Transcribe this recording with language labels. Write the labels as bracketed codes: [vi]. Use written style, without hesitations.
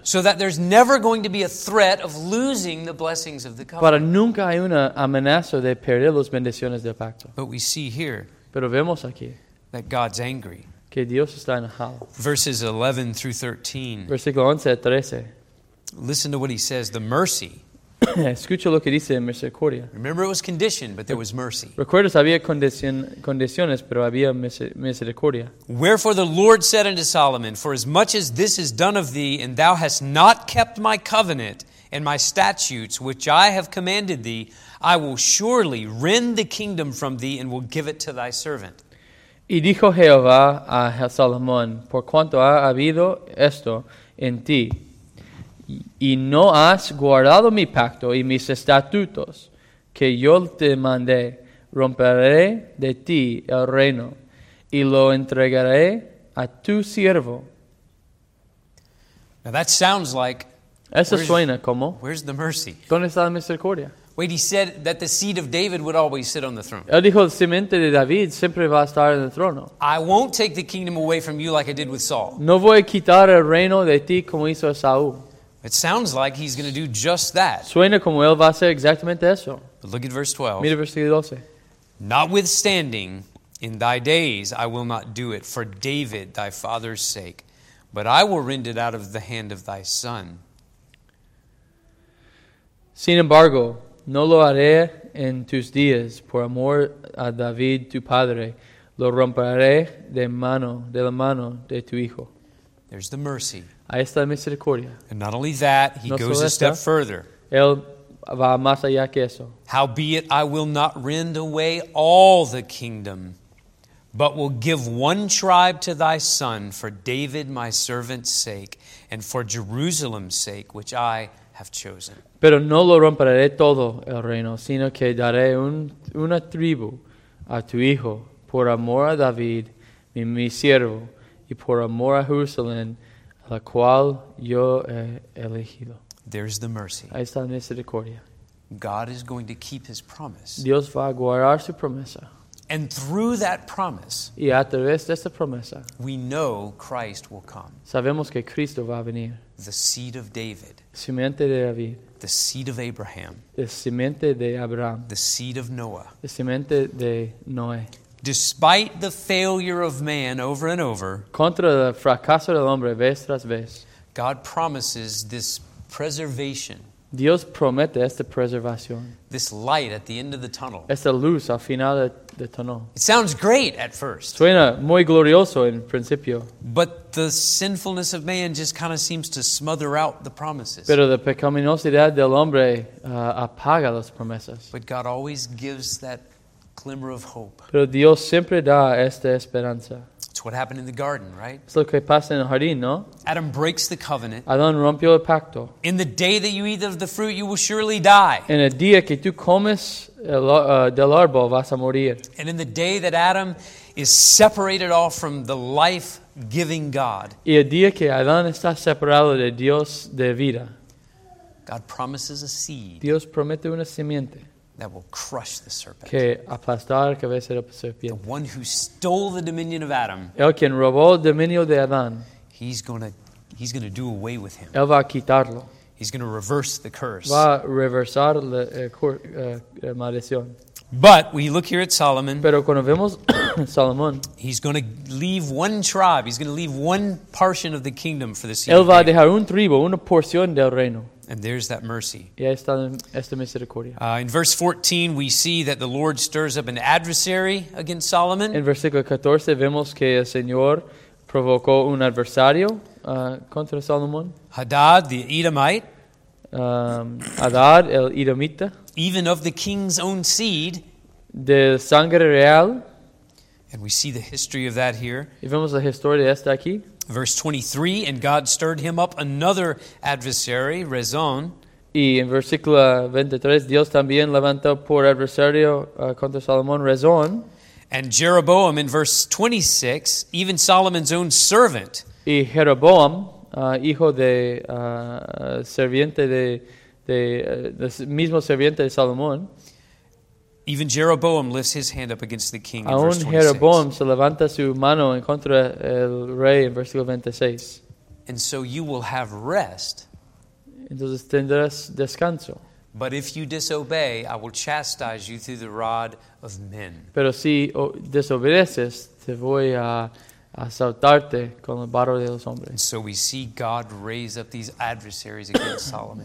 [en] So that there's never going to be a threat of losing the blessings of the covenant. [es] Para nunca hay una amenaza de perder las bendiciones del pacto. [en] But we see here. [es] Pero vemos aquí. [en] That God's angry. [es] Que Dios está enojado. [en] Verses 11 through 13. [es] Versículo 11 a 13. [en] Listen to what he says. The mercy. [es] Escucha lo que dice misericordia. [en] Remember, it was condition, but there was mercy. [es] Recuerdas, había condiciones, pero había misericordia. [en] Wherefore the Lord said unto Solomon, for as much as this is done of thee, and thou hast not kept my covenant and my statutes, which I have commanded thee, I will surely rend the kingdom from thee and will give it to thy servant. [es] Y dijo Jehová a Salomón, por cuanto ha habido esto en ti, y no has guardado mi pacto y mis estatutos, que yo te mandé, romperé de ti el reino, y lo entregaré a tu siervo. [en] Now that sounds like, [es] eso suena como, [en] where's the mercy? [es] ¿Dónde está la misericordia? [en] Wait, he said that the seed of David would always sit on the throne. [es] Él dijo, el simiente de David siempre va a estar en el trono. [en] I won't take the kingdom away from you like I did with Saul. [es] No voy a quitar el reino de ti como hizo Saúl. [en] It sounds like he's going to do just that. [es] Suena como él va a hacer exactamente eso. [en] But look at verse 12. [es] Mira versículo 12. [en] Notwithstanding, in thy days I will not do it for David thy father's sake, but I will rend it out of the hand of thy son. [es] Sin embargo, no lo haré en tus días por amor a David tu padre. Lo romperé de la mano de tu hijo. [en] There's the mercy. [es] Ahí está la misericordia. [en] And not only that, he goes a step further. [es] Él va más allá que eso. [en] Howbeit, I will not rend away all the kingdom, but will give one tribe to thy son for David my servant's sake and for Jerusalem's sake, which I have chosen. [es] Pero no lo romperé todo el reino, sino que daré una tribu a tu hijo por amor a David, mi siervo, y por amor a Jerusalén, la cual yo he elegido. [en] There's the mercy. [es] Ahí está la misericordia. [en] God is going to keep his promise. [es] Dios va a guardar su promesa. [en] And through that promise, [es] y a través de esa promesa, [en] we know Christ will come. [es] Sabemos que Cristo va a venir. [en] The seed of David. [es] Simiente de David. [en] The seed of Abraham. [es] El simiente de Abraham. [en] The seed of Noah. [es] El simiente de Noé. [en] Despite the failure of man over and over, [es] contra el fracaso del hombre vez tras vez, [en] God promises this preservation. [es] Dios promete esta preservación. [en] This light at the end of the tunnel. [es] Esta luz al final del túnel. [en] It sounds great at first. [es] Suena muy glorioso en principio. [en] But the sinfulness of man just kind of seems to smother out the promises. [es] Pero la pecaminosidad del hombre apaga las promesas. [en] But God always gives that glimmer of hope. [es] Pero Dios siempre da esta esperanza. [en] It's what happened in the garden, right? [es] Es lo que pasa en el jardín, ¿no? [en] Adam breaks the covenant. [es] Adán rompió el pacto. [en] In the day that you eat of the fruit, you will surely die. [es] En el día que tú comes del árbol, vas a morir. [en] And in the day that Adam is separated off from the life-giving God. [es] Y el día que Adán está separado de Dios de vida. [en] God promises a seed. [es] Dios promete una simiente. [en] That will crush the serpent. [es] Que aplastar la cabeza de la serpiente. [en] The one who stole the dominion of Adam. [es] El quien robó el dominio de Adán. [en] He's gonna do away with him. [es] Él va a quitarlo. [en] He's gonna reverse the curse. [es] Va a reversar la maldición. [en] But we look here at Solomon. [es] Pero cuando vemos Salomón. [en] He's gonna leave one tribe. He's gonna leave one portion of the kingdom for the seed. [es] Él va a dejar un tribo, una porción del reino. [en] And there's that mercy. [es] Ya está esta misericordia. [en] In verse 14, we see that the Lord stirs up an adversary against Solomon. [es] En versículo 14, vemos que el Señor provocó un adversario contra Salomón. [en] Hadad, the Edomite. [es] Hadad, el Edomita. [en] Even of the king's own seed. [es] De sangre real. [en] And we see the history of that here. [es] Y vemos la historia de esta aquí. [en] Verse 23, and God stirred him up another adversary, Rezón. [es] Y en versículo 23, Dios también levantó por adversario contra Salomón, Rezón. [en] And Jeroboam, in verse 26, even Solomon's own servant. [es] Y Jeroboam, hijo de serviente de mismo serviente de Salomón. [en] Even Jeroboam lifts his hand up against the king in verse 26. [es] Aún Jeroboam se levanta su mano en contra el rey en versículo 26. [en] And so you will have rest. [es] Entonces tendrás descanso. [en] But if you disobey, I will chastise you through the rod of men. [es] Pero si desobedeces, te voy a asaltarte con el barro de los hombres. [en] And so we see God raise up these adversaries against Solomon.